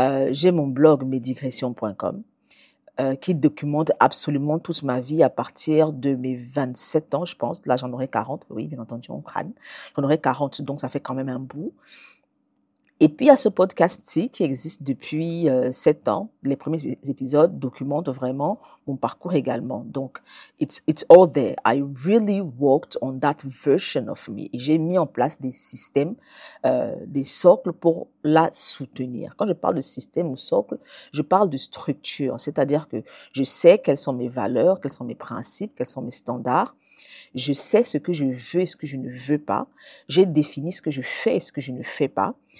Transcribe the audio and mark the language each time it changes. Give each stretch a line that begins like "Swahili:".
French: J'ai mon blog medigression.com. Qui documente absolument toute ma vie à partir de mes 27 ans, je pense. Là, j'en aurai 40. Oui, bien entendu, on crâne. J'en aurai 40, donc ça fait quand même un bout. Et puis, il y a ce podcast-ci qui existe depuis 7 ans. Les premiers épisodes documentent vraiment mon parcours également. Donc,
English: it's all there. I really worked on that version of me.
French: Et j'ai mis en place des systèmes, des socles pour la soutenir. Quand je parle de système ou socle, je parle de structure. C'est-à-dire que je sais quelles sont mes valeurs, quels sont mes principes, quels sont mes standards. Je sais ce que je veux et ce que je ne veux pas. J'ai défini ce que je fais et ce que je ne fais pas.